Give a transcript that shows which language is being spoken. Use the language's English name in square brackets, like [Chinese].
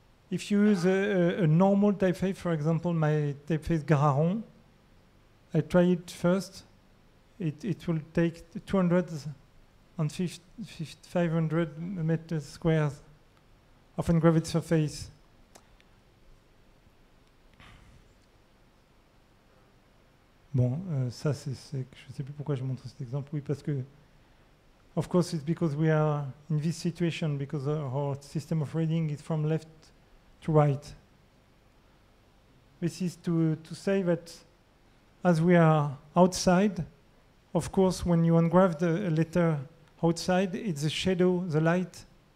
[English] If you use a normal typeface, for example, my typeface Gararon, I try it first. It will take 200 and 500 meters squares of engraved surface. [French] Bon, ça c'est je ne sais plus pourquoi je montre cet exemple. Oui, parce que, [English] of course, it's because we are in this situation because our system of reading is from left to right. This is to say that, as we are outside, of course, when you engrave a letter outside, it's the shadow, the light.